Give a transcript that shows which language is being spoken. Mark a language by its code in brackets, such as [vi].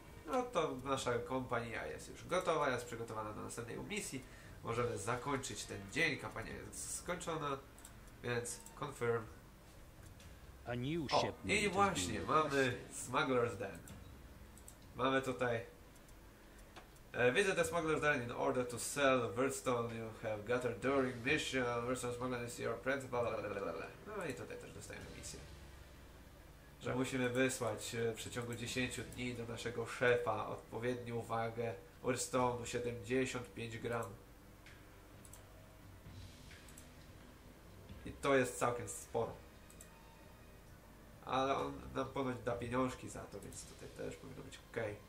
[pl] No to nasza kompania jest już gotowa, jest przygotowana do następnej misji. Możemy zakończyć ten dzień. Kampania jest skończona. Więc [en] confirm. A new shipment. [pl] I właśnie mamy Smuggler's Den. Mamy tutaj. [en] Visit the Smuggler's Den in order to sell the Wordstone you have gathered during mission. Wordstone Smuggler is your principal. Lalalala. [pl] No i tutaj też dostajemy misję. Że musimy wysłać w przeciągu 10 dni do naszego szefa odpowiednią wagę Wordstone 75 gram. I to jest całkiem sporo. Ale on nam ponoć da pieniążki za to, więc tutaj też powinno być ok.